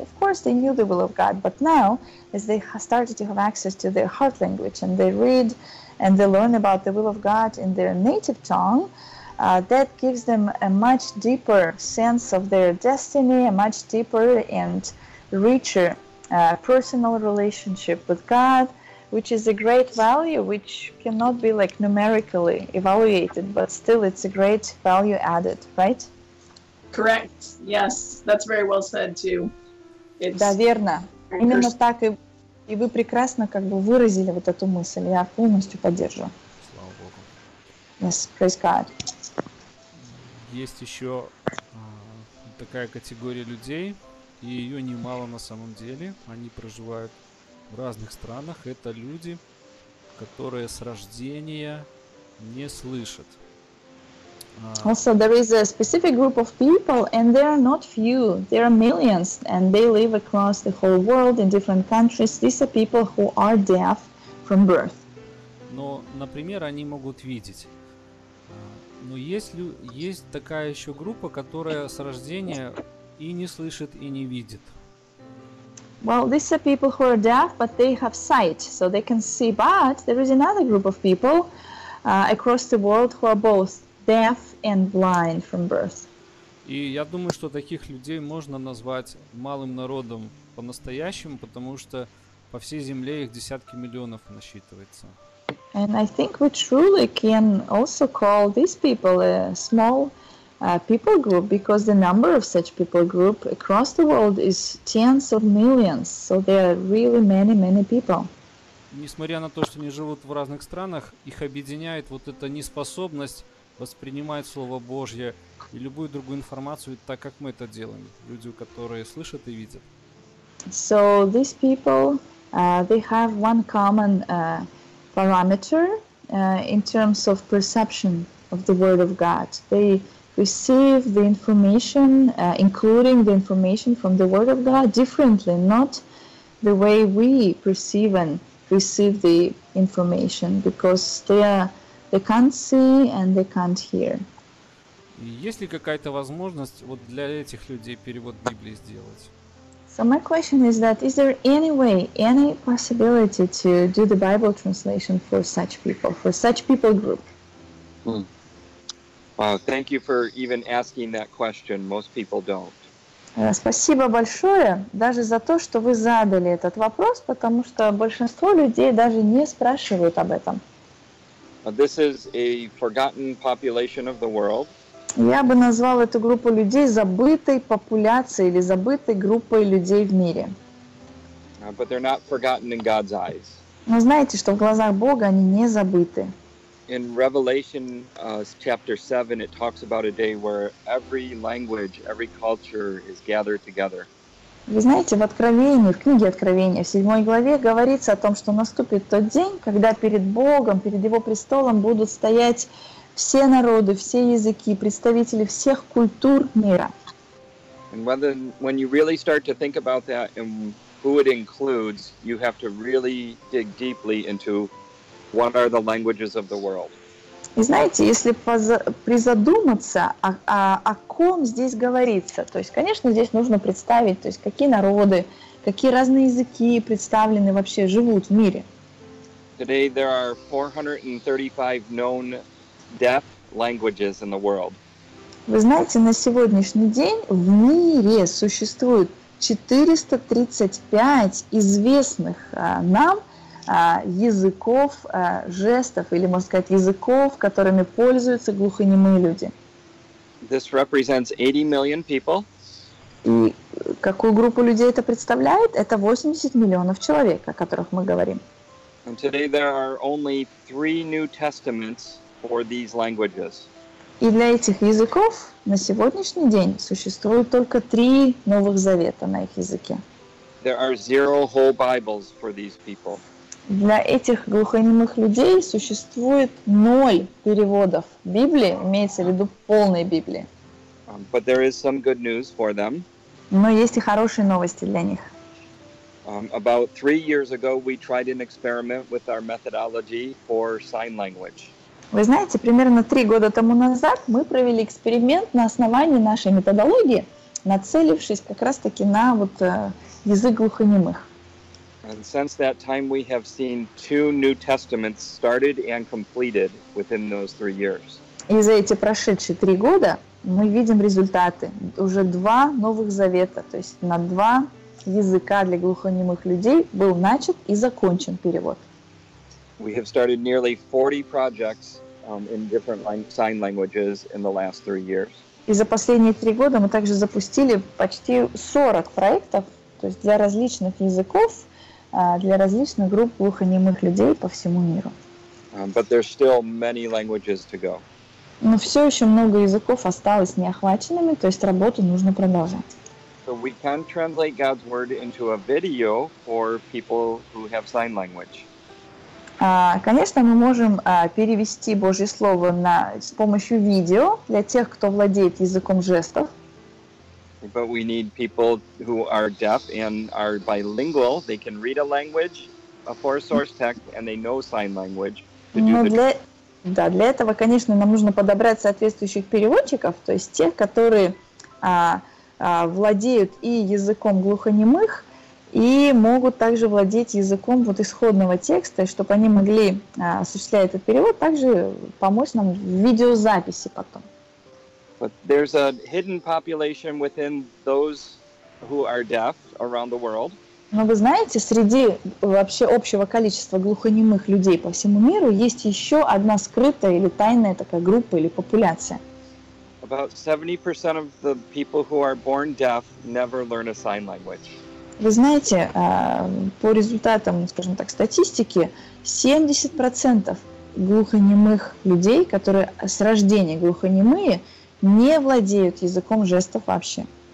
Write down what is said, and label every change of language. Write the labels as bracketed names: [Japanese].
[English] Of course, they knew the will of God, but now, as they started to have access to their heart language and they read and they learn about the will of God in their native tongue, that gives them a much deeper sense of their destiny, a much deeper and richer personal relationship with God, which is a great value, which cannot be like numerically evaluated, but still it's a great value added, right? Correct. Yes, that's very well said too. [Russian] It's да, верно. Именно так и вы прекрасно как бы выразили вот эту мысль. Я полностью поддерживаю. Слава Богу. [English] Yes, praise God. [Russian] Есть еще такая категория людей, и ее немало на самом деле. Они проживают в разных странах. Это люди, которые с рождения не слышат. [English] Also, there is a specific group of people, and they are not few. There are millions, and they live across the whole world in different countries. These are people who are deaf from birth. [Russian] Но, например, они могут видеть. Но есть такая еще группа, которая с рождения и не слышит, и не видит. [English] Well, these are people who are deaf, but they have sight, so they can see. But there is another group of people across the world who are both deaf and blind from birth. [Russian] И я думаю, что таких людей можно назвать малым народом по-настоящему, потому что по всей земле их десятки миллионов насчитывается. [English] And I think we truly can also call these people a small people group, because the number of such people group across the world is tens of millions, so there are really many, many people. [Russian] Несмотря на то, что они живут в разных странах, их объединяет вот эта неспособность воспринимать Слово Божье и любую другую информацию, так как мы это делаем, люди, которые слышат и видят. [English] So these people, they have one common parameter in terms of perception of the Word of God. They receive the information, including the information from the Word of God, differently, not the way we perceive and receive the information, because they can't see and they can't hear. [Russian] Есть ли какая-то возможность вот для этих людей перевод Библии сделать? [English] So my question is that, is there any way, any possibility to do the Bible translation for such people, for such people group? Wow, thank you for even asking that question. Most people don't. [Russian] Спасибо большое даже за то, что вы задали этот вопрос, потому что большинство людей даже не спрашивают об этом. [English] This is a forgotten population of the world. [Russian] Я бы назвал эту группу людей забытой популяцией или забытой группой людей в мире. [English] But they're not forgotten in God's eyes. [Russian] Но знаете, что в глазах Бога они не забыты. [English] In Revelation chapter 7, it talks about a day where every language, every culture is gathered together. [Russian] Вы знаете, в Откровении, в книге Откровения, в 7 главе говорится о том, что наступит тот день, когда перед Богом, перед Его престолом будут стоять все народы, все языки, представители всех культур мира. [English] And when you really start to think about that and who it includes, you have to really dig deeply into what are the languages of the world. [Russian] И знаете, если призадуматься, о ком здесь говорится, то есть, конечно, здесь нужно представить, то есть, какие народы, какие разные языки представлены вообще, живут в мире. [English] Today there are 435 known deaf languages in the world. [Russian] Вы знаете, на сегодняшний день в мире существует 435 известных нам языков, жестов, или, можно сказать, языков, которыми пользуются глухонемые люди. [English] This represents 80 million people. [Russian] И какую группу людей это представляет? Это 80 миллионов человек, о которых мы говорим. [English] And today there are only three New Testaments for these languages. [Russian] И для этих языков на сегодняшний день существует только три Новых Завета на их языке. [English] There are zero whole Bibles for these people. [Russian] Для этих глухонемых людей существует ноль переводов Библии, имеется в виду полной Библии. [English] But there is some good news for them. [Russian] Но есть и хорошие новости для них. [English] About 3 years ago we tried an experiment with our methodology for sign language. [Russian] Вы знаете, примерно 3 года тому назад мы провели эксперимент на основании нашей методологии, нацелившись как раз-таки на вот язык глухонемых. [English] And since that time, we have seen 2 New Testaments started and completed within those 3 years. [Russian] И за эти прошедшие 3 года мы видим результаты. Уже 2 новых завета, то есть на 2 языка для глухонемых людей был начат и закончен перевод. [English] We have started nearly 40 projects in different sign languages in the last 3 years. [Russian] И за последние 3 года мы также запустили почти 40 проектов, то есть для различных языков, для различных групп глухонемых людей по всему миру. [English] But there's still many languages to go. [Russian] Но все еще много языков осталось неохваченными, то есть работу нужно продолжать. [English] So we can translate God's word into a video for people who have sign language. [Russian] Конечно, мы можем перевести Божье слово с помощью видео для тех, кто владеет языком жестов. [English] But we need people who are deaf and are bilingual. They can read a language for a source text, and they know sign language. [Russian] Для этого, конечно, нам нужно подобрать соответствующих переводчиков, то есть тех, которые владеют и языком глухонемых, и могут также владеть языком вот исходного текста, чтобы они могли осуществлять этот перевод, также помочь нам в видеозаписи потом. [English] But there's a hidden population within those who are deaf around the world. [Russian] Но вы знаете, среди вообще общего количества глухонемых людей по всему миру есть еще одна скрытая или тайная такая группа или популяция. [English] About 70% of the people who are born deaf never learn a sign language. [Russian] Вы знаете, по результатам, скажем так, статистики, 70% глухонемых людей, которые с рождения глухонемые, не владеют языком жестов вообще.